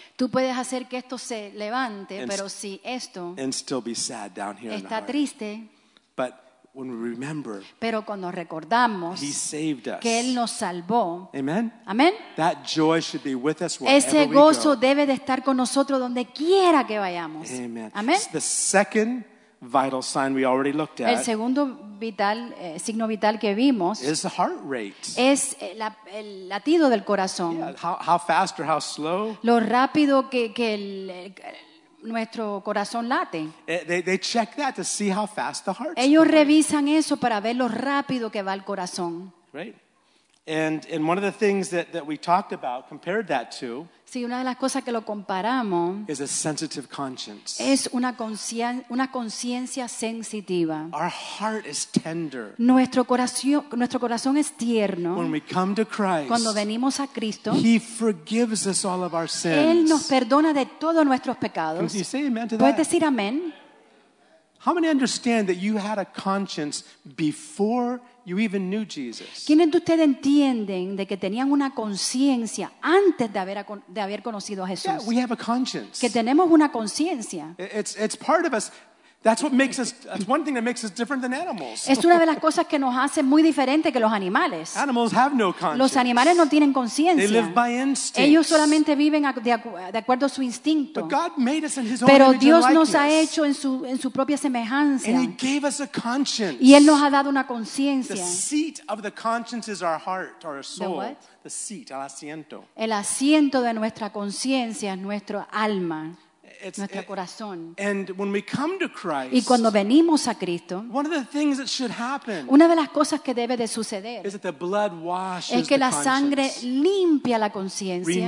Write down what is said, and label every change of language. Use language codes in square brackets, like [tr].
[es] Tú puedes hacer que esto se levante, pero si esto [en] and still be sad down here [es] está triste. [en] But when we remember, [es] pero cuando recordamos [en] he saved us. [es] Que él nos salvó. [en] Amen. [es] Amen. [en] That joy should be with us wherever [es] ese gozo [en] we go. [es] Debe de estar con nosotros donde quiera que vayamos. [en] Amen. [es] Amen. [en] The second vital sign we already looked at. [es] El segundo vital signo vital que vimos [en] is the heart rate. [es] Es el latido del corazón. [en] Yeah, how fast or how slow? [es] Lo rápido que el nuestro corazón late. [en] They check that to see how fast the heart. [es] Ellos [en] going. [es] Revisan eso para ver lo rápido que va el corazón. [en] Right. And one of the things that we talked about compared that to. [es] Sí, una de las cosas que lo comparamos [en] is a sensitive conscience. [es] Es una conciencia sensitiva. [en] Our heart is tender. [es] Nuestro corazón es tierno. [en] When we come to Christ, [es] cuando venimos a Cristo, [en] he forgives us all of our sins. [es] Él nos perdona de todos nuestros pecados. [en] Can you say amen to that? [es] ¿Puedes decir amén? [en] How many understand that you had a conscience before you even knew Jesus? [es] ¿Quiénes de ustedes entienden de que tenían una conciencia antes de haber conocido a Jesús? [en] Yeah, we have a conscience. [es] Que tenemos una conciencia. [en] It's part of us. That's what makes us. That's one thing that makes us different than animals. [es] Es una de las cosas que nos hace muy diferente que los animales. [en] Animals have no conscience. [es] Los animales no tienen conciencia. [en] They live by instinct. [es] Ellos solamente viven de acuerdo a su instinto. [en] But God made us in His own [es] pero [en] image [es] Dios [en] and [es] nos ha hecho en su propia semejanza. [en] And He gave us a conscience. [es] Y él nos ha dado una conciencia. [en] The seat of the conscience is our heart, our soul. The what? The seat, [es] el asiento. El asiento de nuestra conciencia es nuestro alma. nuestro corazón. [en] And when we come to Christ, [es] y cuando venimos a Cristo, [en] one of the things that should happen, [es] una de las cosas que debe de suceder, [en] is that the blood washes, [es] es que [en] the [es] la sangre limpia la conciencia,